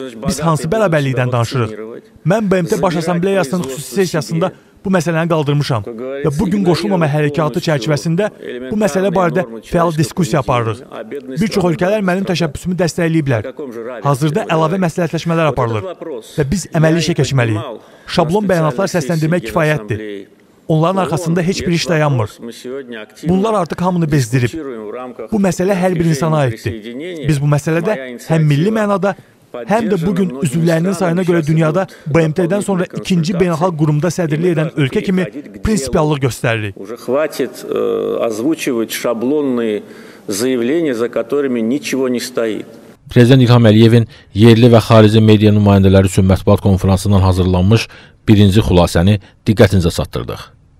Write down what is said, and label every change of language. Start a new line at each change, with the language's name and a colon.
Azerbaijani: Biz hansı bərabərlikdən danışırıq? Mən BMT Baş Assambleyasının xüsusi sessiyasında bu məsələni qaldırmışam və bugün qoşulmama hərəkatı çərçivəsində bu məsələ barədə fəal diskussiya aparırıq. Bir çox ölkələr mənim təşəbbüsümü dəstəkləyiblər. Hazırda əlavə məsləhətləşmələr aparılır və biz əməli işə keçməliyik. Şablon bəyanatlar səsləndirmək kifayətdir. Onların arxasında heç bir iş dayanmır. Bunlar artıq hamını bezdirib. Bu məsələ hər bir insana aiddir. Biz bu məsələdə həm milli mənada, həm də bugün üzvlərinin sayına görə dünyada BMT-dən sonra ikinci beynəlxalq qurumda sədrlik edən ölkə kimi prinsipiallıq göstəririk.
Russian: Уже хватит озвучивать шаблонные заявления, за которыми ничего не стоит.
Azerbaijani: Prezident İlham Əliyevin yerli və xarici media nümayəndələri üçün mətbuat konfransından hazırlanmış birinci xülasəni diqqətinizə çatdırdıq.